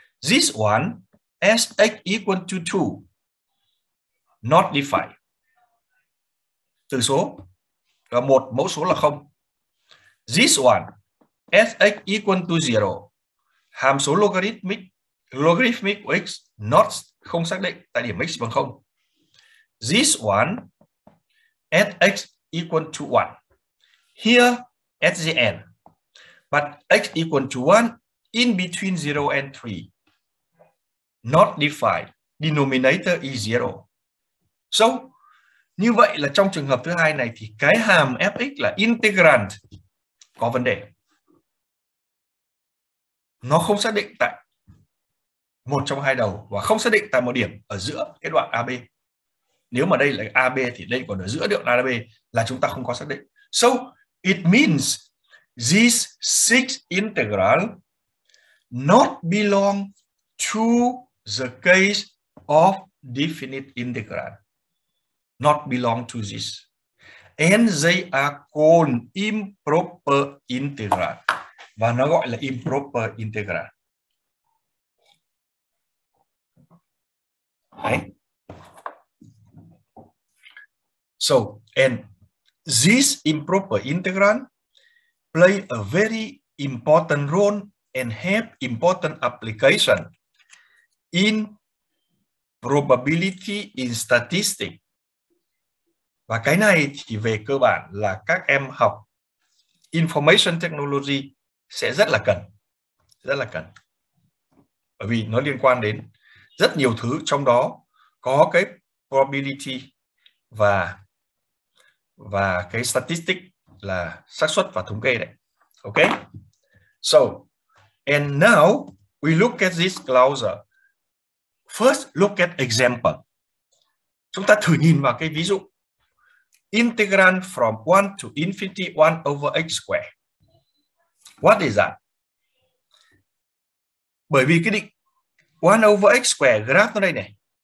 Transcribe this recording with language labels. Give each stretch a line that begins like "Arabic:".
English: This one, as x equal to 2, not defined.
Vietnamese: Từ số. Và một mẫu số là không.
English: This one, as x equal to 0,
Vietnamese: hàm số logarithmic của x not không xác định tại điểm x bằng 0.
English: This one, at x equal to 1. Here, at the end. But x equal to 1 in between 0 and 3. Not defined. Denominator is 0.
Vietnamese: So, như vậy là trong trường hợp thứ hai này thì cái hàm fx là integrand có vấn đề. Nó không xác định tại một trong hai đầu và không xác định tại một điểm ở giữa cái đoạn AB. Nếu mà đây là AB thì đây còn ở giữa đoạn AB là chúng ta không có xác định.
English: So, it means these six integral not belong to the case of definite integral. Not belong to this. And they are called improper integral.
Vietnamese: Và nó gọi là improper integral. Đấy.
English: So, and this improper integrand play a very important role and have important application in probability in statistics.
Vietnamese: Và cái này thì về cơ bản là các em học information technology sẽ rất là cần. Rất là cần. Bởi vì nó liên quan đến rất nhiều thứ, trong đó có cái probability và cái statistic là xác suất và thống kê đấy.
English: Ok. So, and now we look at this closure. First, look at example.
Vietnamese: Chúng ta thử nhìn vào cái ví dụ.
English: Integrand from 1 to infinity 1 over x square. What is that?
Vietnamese: Bởi vì cái định 1 over x square graph nó đây này.